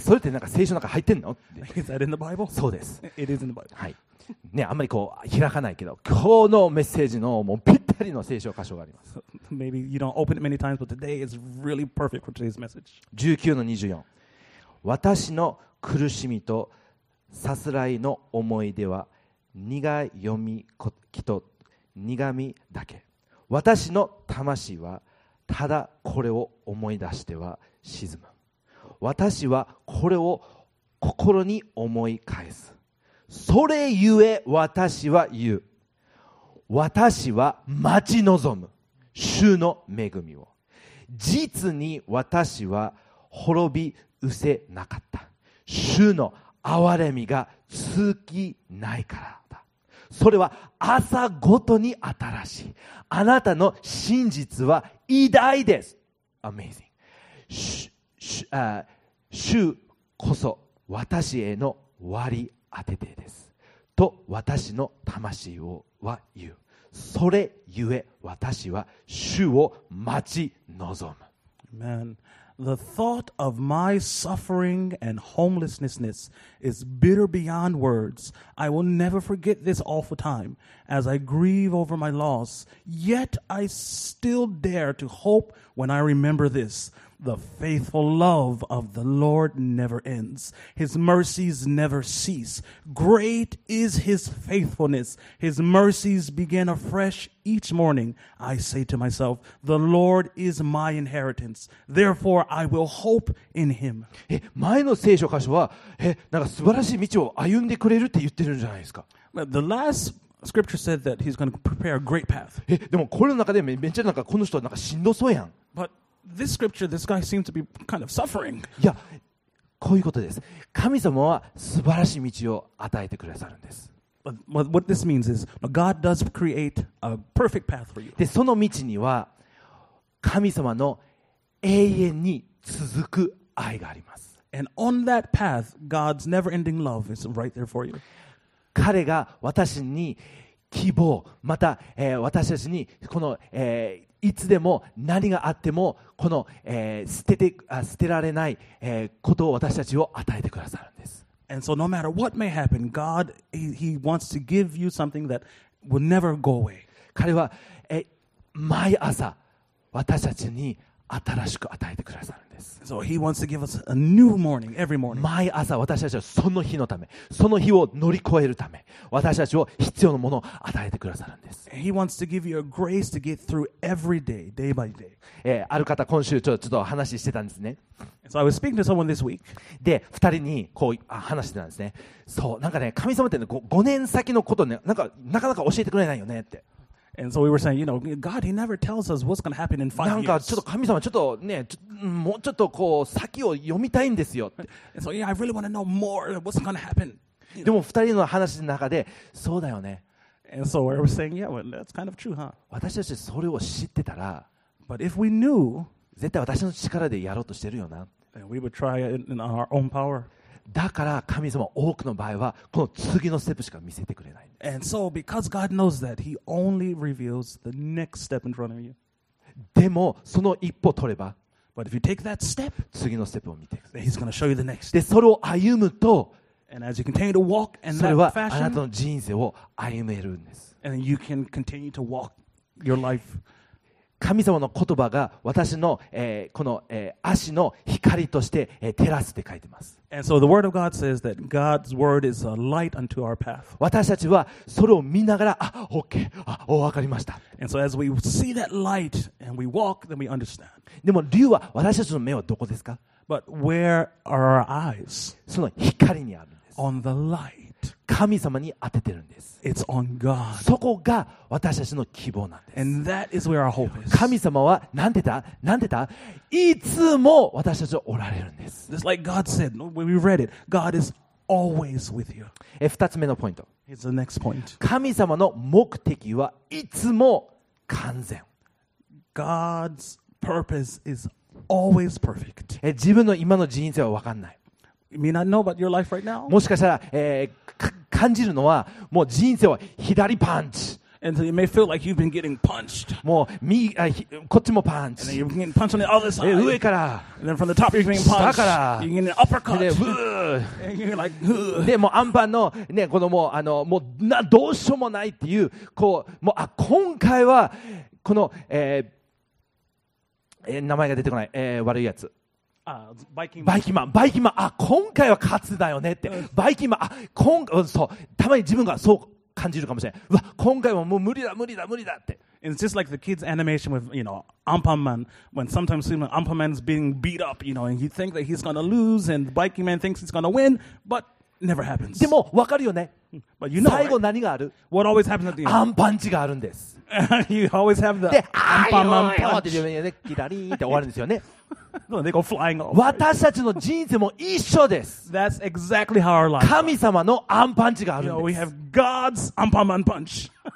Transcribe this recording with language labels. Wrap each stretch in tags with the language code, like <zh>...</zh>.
<ja>それってなんか聖書の中入ってんの?</ja> <en>Is that in the Bible?</en> <ja>そうです。</ja> <en>It is in the Bible.</en> <ja>はい。ね、あんまりこう開かないけど、今日のメッセージのもうぴったりの聖書箇所があります。</ja> <en>Maybe you don't open it many times, but today is really perfect for today's message. 19-24.</en> <ja>私の苦しみとさすらいの思い出は苦い読み聞と苦みだけ。私の魂はただこれを思い出しては沈む。私はこれを心に思い返す。それゆえ私は言う。私は待ち望む主の恵みを。実に私は滅び失せなかった。主の憐れみが尽きないからだ。それは朝ごとに新しい。あなたの真実は偉大です。</ja> <en>Amazing。</en> <ja>主こそ私への割り当ててです。と私の魂をは言う。それゆえ私は主を待ち望む。</ja> <en>Amen. The thought of my suffering and homelessness is bitter beyond words. I will never forget this awful time as I grieve over my loss. Yet I still dare to hope when I remember this. The faithful love of the Lord never ends. His mercies never cease. Great is His faithfulness. His mercies begin afresh each morning. I say to myself, the Lord is my inheritance. Therefore, I will hope in Him.</en> <ja>前の聖書箇所は、なんか素晴らしい道を歩んでくれるって言ってるんじゃないですか。</ja> <en>The last scripture said that He's going to prepare a great path.</en> <ja>でもこれの中でめっちゃなんかこの人はなんかしんどそうやん。</ja> <en>But this scripture, this guy seems to be kind of suffering.</en> <ja>いや、こういうことです。神様は素晴らしい道を与えてくださるんです。</ja> <en>But what this means is, God does create a perfect path for you.</en> <ja>で、その道には神様の永遠に続く愛があります。</ja> <en>And on that path, God's never-ending love is right there for you.</en> <ja>彼が私に希望、また、私たちにこの、いつでも何があってもこの、捨てられない、ことを私たちを与えてくださるんです。</ja> <en>And so no matter what may happen, God, he wants to give you something that will never go away.</en> <ja>彼は、毎朝私たちに新しく与えてくださるんです。</ja> <en>So he wants to give us a new morning, every morning.</en> <ja>毎朝私たちはその日のため、その日を乗り越えるため、私たちを必要なものを与えてくださるんです。</ja> <en>He wants to give you a grace to get through every day, day by day.</en> <ja>ある方、今週ちょっと話してたんですね。</ja> <en>So I was speaking to someone this week.</en> <ja>で、二人にこう話してたんですね。そう、なんかね、神様ってね、5年先のことね、なかなか教えてくれないよねって。</ja> <en>And so we were saying, you know, God, He never tells us what's going to happen in five years.</en> <ja>なんかちょっと神様ちょっとね、もうちょっとこう先を読みたいんですよって。</ja> <en>And so yeah, I really want to know more what's going to happen.</en> <ja>でも二人の話の中で、そうだよね。</ja> <en>And so we were saying, yeah, well, that's kind of true, huh?</en> <ja>私たちそれを知ってたら、</ja> <en>But if we knew,</en> <ja>絶対私の力でやろうとしてるよな。</ja> <en>And we would try it in our own power.</en> <ja>だから神様多くの場合はこの次のステップしか見せてくれない。</ja> <en>And so because God knows that, He only reveals the next step in front of you.</en> <ja>でもその一歩取れば、</ja> <en>But if you take that step,</en> <ja>次のステップを見ていく。</ja> <en>Then He's going to show you the next</en> <ja>step. で、それを歩むと、</ja> <en>And as you continue to walk in that fashion,</en> <ja>それはあなたの人生を歩めるんです。</ja> <en>And you can continue to walk your life.</en> <ja>神様の言葉が私の、この、足の光として、照らすって書いてます。</ja> <en>And so the word of God says that God's word is a light unto our path.</en> <ja>私たちはそれを見ながら、あ、OK、あ、わかりました。</ja> <en>And so as we see that light and we walk, then we understand.</en> <ja>でも理由は私たちの目はどこですか?</ja> <en>But where are our eyes?</en> <ja>その光にあるんです。</ja> <en>On the light.</en> <ja>神様に当ててるんです。</ja> <en>It's on God.</en> <ja>そこが私たちの希望なんです。</ja> <en>And that is where our hope is.</en> <ja>神様は何でだ?何でだ? いつも私たちおられるんです。</ja> <en>Just like God said, when we read it, God is always with you.</en> <ja>二つ目のポイント。</ja> <en>It's the next point.</en> <ja>神様の目的はいつも完全。</ja> <en>God's purpose is always perfect.</en> <ja>自分の今の人生は分かんない。</ja> <en>You may not know about your life right now.</en> <ja>もしかしたら、感じるのはもう人生は左パンチ。</ja> <en>And so you may feel like you've been getting punched.</en> <ja>もう右、あ、こっちもパンチ。</ja> <en>And you're getting punched on the other side.</en> <ja>上から。</ja> <en>And then from the top you're getting punched.</en> <ja>下から。</ja> <en>You're getting an uppercut.</en> <ja>で、ふ</ja> <en>ぅ。And you're like, ふぅ。</en> <ja>で、もうアンパンのね、このもう、あの、もうな、どうしようもないっていう、こう、もう、あ、今回は、この、名前が出てこない、悪いやつ。バイキンマン、あ、今回は勝つだよねって、バイキンマン、あ、今回、そう、たまに自分がそう感じるかもしれない。うわ、今回はもう無理だって。</ja> <en>It's just like the kids' animation with, you know, Anpanman. When sometimes when Anpanman is being beat up, you know, and you think that he's gonna lose, and Baikiman thinks he's gonna win, but never happens.</en> <ja>でも分かるよね。</ja> <en>But you know,</en> <ja>最後何がある?</ja> <en>What always happens at the end?</en> <ja>アンパンチがあるんです。</ja> <en>You always have the アンパンマンパンチ。</en> <ja>で、ああ、で、キラリーって終わるんですよね。</ja> <en>No, they go flying off.</en> <ja>私たちの人生も一緒です。</ja> <en>That's exactly how our life is.</en> <ja>神様のアンパンチがあるんです。</ja> <en>You know, we have God's アンパンマンパンチ。</en>